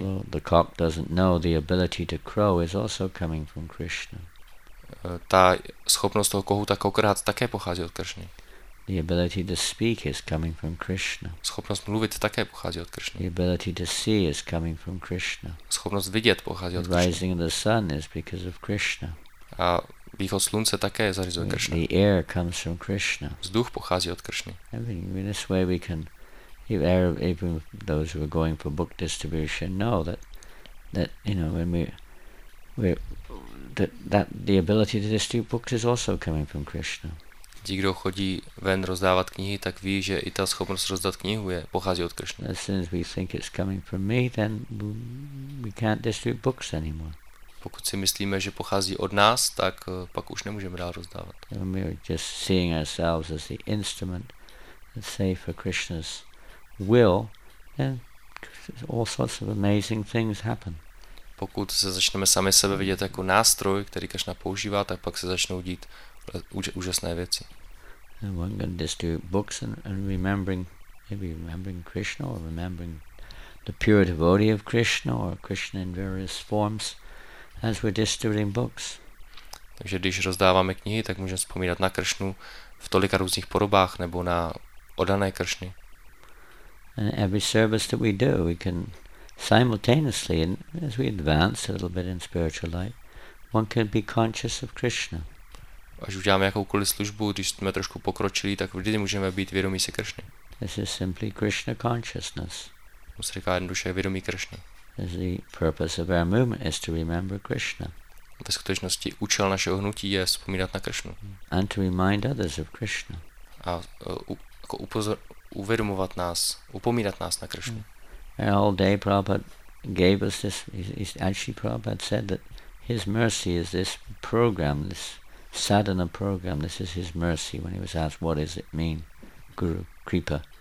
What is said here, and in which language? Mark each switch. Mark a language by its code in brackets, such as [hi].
[en] Although the cock doesn't know, the ability to crow is also coming from Krishna. [cs] Ta schopnost toho kohouta kokrhát také pochází od Krishny. [en] The ability to speak is coming from Krishna. [cs] Schopnost mluvit také pochází od Krishny. [en] The ability to see is coming from Krishna. [cs] Schopnost vidět pochází od Krishny. [en] Rising of the sun is because of Krishna. [cs] A východ slunce také zařizuje Krishna. [en] The air comes from Krishna. [cs] Vzduch pochází od Krishny. [en] In this way we can, even those who are going for book distribution know that you know when that the ability to distribute books is also coming from Krishna. [cs] Ti, kdo chodí ven rozdávat knihy, tak ví, že i ta schopnost rozdat knihu pochází od Krishny. [en] As soon as we think it's coming from me, then we can't distribute books anymore. [cs] Pokud si myslíme, že pochází od nás, tak pak už nemůžeme dál rozdávat. [en] We are just seeing ourselves as the instrument that say for Krishna's will, then all sorts of amazing things happen. [cs] Pokud se začneme sami sebe vidět jako nástroj, který Krishna používá, tak pak se začnou dít úžasné věci. [en] And one can distribute books and remembering, maybe remembering Krishna or remembering the pure devotee of Krishna or Krishna in various forms. As we're distributing books. [cs] Takže když rozdáváme knihy, tak můžeme vzpomínat na Kršnu v tolika různých podobách nebo na oddané Kršny. [en] And every service that we do, we can simultaneously, as we advance a little bit in spiritual life, one can be conscious of Krishna. [cs] Až uděláme jakoukoliv službu, když jsme trošku pokročili, tak vždy můžeme být vědomí si Kršny. [en] This is simply Krishna consciousness. [cs] To se říká jednoduše vědomí Kršny. [en] The purpose of our movement is to remember Krishna. [cs] Ve skutečnosti účel našeho hnutí je vzpomínat na Krishnu. [en] And to remind others of Krishna. [cs] A jako uvědomovat nás, upomínat nás na Krishnu. [en] Our whole day Prabhupada gave us this, actually Prabhupada said that his mercy is this program, this sadhana program, this is his mercy when he was asked what does it mean, Guru, Kripa.